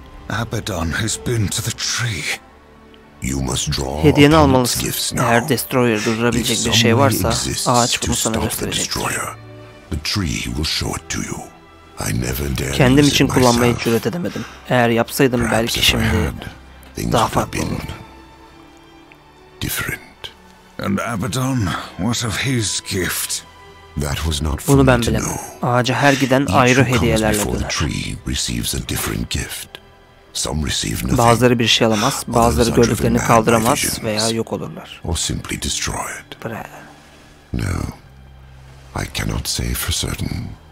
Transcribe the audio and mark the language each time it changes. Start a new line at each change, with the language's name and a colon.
English: Abaddon has been to the tree. You must draw.
Turkish: Hediyeni almalısın. Eğer Destroyer'ı durdurabilecek bir şey varsa, ağaç bunu sana gösterecektir. Kendim için kullanmayı cüret edemedim. Eğer yapsaydım belki şimdi daha farklı olurdu.
English: And Abaddon, what of his gift? That was not for me to know.
Turkish: Ağaca her giden ayrı hediyelerle döner.
English: The tree receives a different gift. Some receive nothing.
Turkish: Bazıları bir şey alamaz, bazıları gördüklerini kaldıramaz veya yok olurlar.
English: Or simply destroyed. No, I cannot say for certain.